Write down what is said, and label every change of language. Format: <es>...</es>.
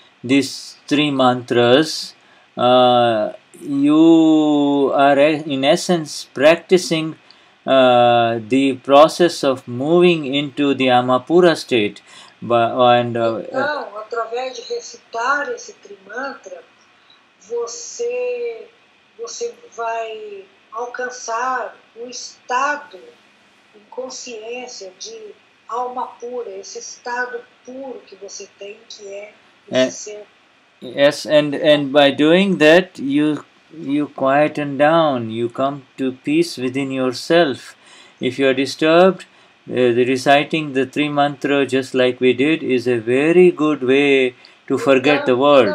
<en>these three mantras, you are in essence practicing the process of moving into the Amapura state.</en> <pt>Através de recitar esse trimantra, você vai alcançar um estado em consciência de alma pura, esse estado puro que você tem, que é</pt> <en>And by doing that, you quieten down, you come to peace within yourself. If you are disturbed, the reciting the three mantra just like we did is a very good way to forget the world.</en>